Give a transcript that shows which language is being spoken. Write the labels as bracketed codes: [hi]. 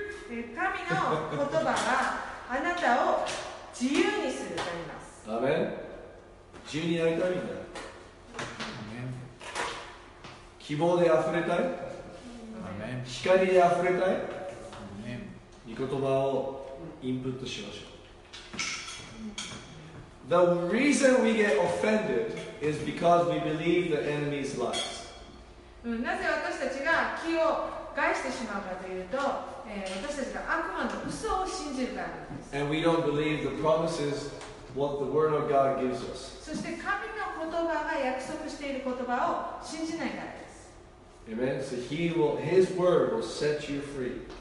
[ja] 神の言葉があなたを自由にするとあります。アメン。自由になりたいんだ。アメン。希望であふれたい。アメン。光であふれたい。御言葉をインプットしましょう。 [en] The reason we get offended is because we believe the enemy's lies. [ja] なぜ私たちが気を害してしまうかというと、私たちが悪魔の嘘を信じるからです。 [en] And we don't believe the promises what the word of God gives us. [ja] そして神の言葉が約束している言葉を信じないからです。 [en] Amen. So he will, his word will set you free.